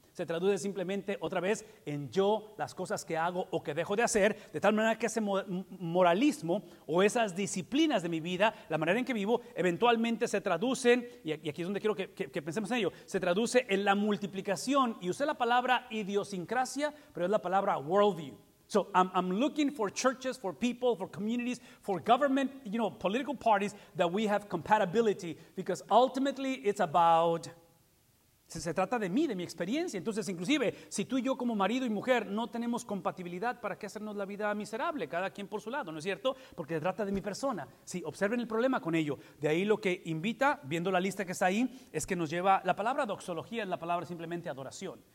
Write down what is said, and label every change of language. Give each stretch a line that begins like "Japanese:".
Spanish: Se traduce simplemente otra vez en yo, las cosas que hago o que dejo de hacer, de tal manera que ese moralismo o esas disciplinas de mi vida, la manera en que vivo, eventualmente se traducen, y aquí es donde quiero que pensemos en ello, se traduce en la multiplicación, y usé la palabra idiosincrasia, pero es la palabra worldview.
English: So I'm looking for churches, for people, for communities, for government, you know, political parties that we have compatibility, because ultimately it's about
Spanish: Se trata de mí, de mi experiencia. Entonces, inclusive, si tú y yo como marido y mujer no tenemos compatibilidad, ¿para qué hacernos la vida miserable? Cada quien por su lado, ¿no es cierto? Porque se trata de mi persona. Sí, observen el problema con ello. De ahí lo que invita, viendo la lista que está ahí, es que nos lleva, la palabra doxología es la palabra simplemente adoración.